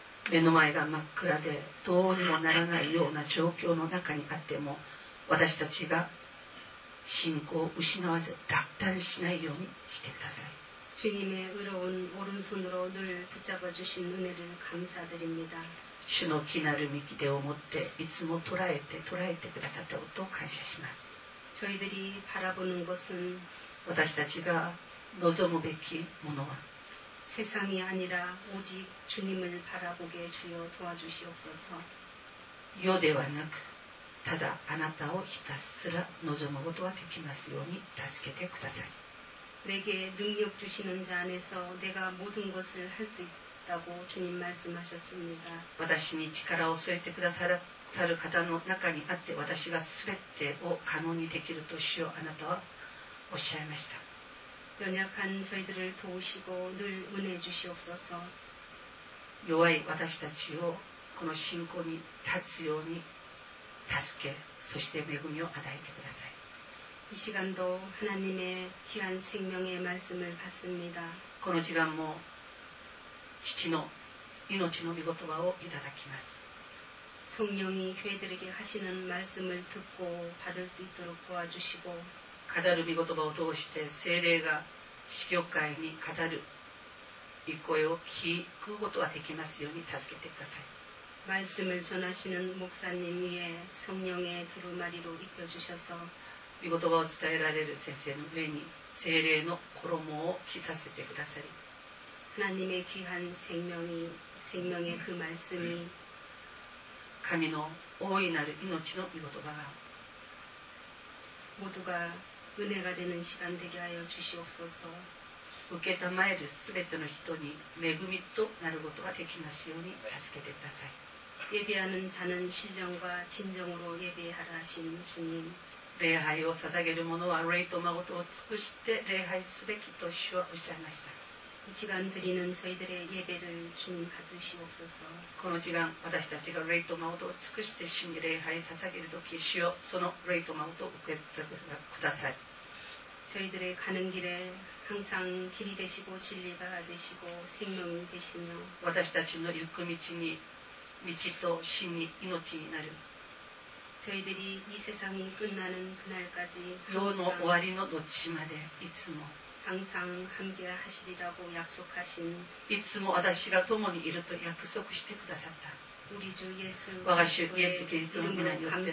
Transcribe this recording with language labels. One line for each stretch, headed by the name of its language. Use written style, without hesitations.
Japanese: 目の前が真っ暗でどうにもならないような状況の中にあっても私たちが信仰を失わず落胆しないようにしてください。
Korean: 주님의의로운오른손으로늘붙잡아주신은혜를감사드립니다
Japanese: 主の気なる御手を持っていつも捉えて捉えてくださったことを感謝します。
Korean: 저희들이바라보는것은
Japanese: 私たちが望むべきものは
Korean: 세상이아니라오직주님을바라보게주여도와주시옵소서
Japanese: 世ではなくただあなたをひたすら望むことができますように助けてください。
Korean: 내게능력주시는자안에서내가모든것을할수있다고주님말씀하셨습니다
Japanese: 私に力を添えてくださる方の中にあって私がすべてを可能にできると主よあなたはおっしゃいました。
Korean: 연약한저희들을도우시고늘은혜주시옵소서
Japanese: 弱い私たちをこの信仰に立つように助け、そして恵みを与えてください。
Korean: 이시간도하나님의귀한생명의말씀을받습니다
Japanese: この時間も父の命の御言葉をいただきます。
Korean: 성령이교회들에게하시는말씀을듣고받을수있도록도와주시고
Japanese: 語る御言葉を通して聖霊が司教会に語る御声を聞くことができますように助けてください。
Korean: 말씀을전하시는목사님위에성령의두루마리로이끌어주셔서 이것도와
Japanese: 伝えられる先生の上に聖霊の衣を着させてくださり
Korean: 하나님의귀한생명이생명의그말씀이
Japanese: 神の大いなる命の御言葉が
Korean: 모두가은혜가되는시간되게하여주시옵소서
Japanese: 受けたまえるすべての人に恵みとなることができますように助けてください。
Korean: 예배하는자는신령과진정으로예배하라하신주님
Japanese: 礼拝を捧げる者は礼と誠を尽くして礼拝すべきと主はおっしゃいました。この時間私たちが礼と誠を尽くして主に礼拝を捧げるとき、主よその礼と誠を受け取ってください。
Korean: 저희들의가는길에항상길이되시고진리가되시고생명이되시며
Japanese: 私たちの行く道に道と真に命になる
Korean: 저희들이이세상이끝나는그날까지
Japanese: 世の終わりの後までいつも
Korean: 항상함께하시리라고약속하신
Japanese: いつも私が共にいると約束してくださった
Korean: 우리주예수
Japanese: 我が主イエス・キリストの皆によって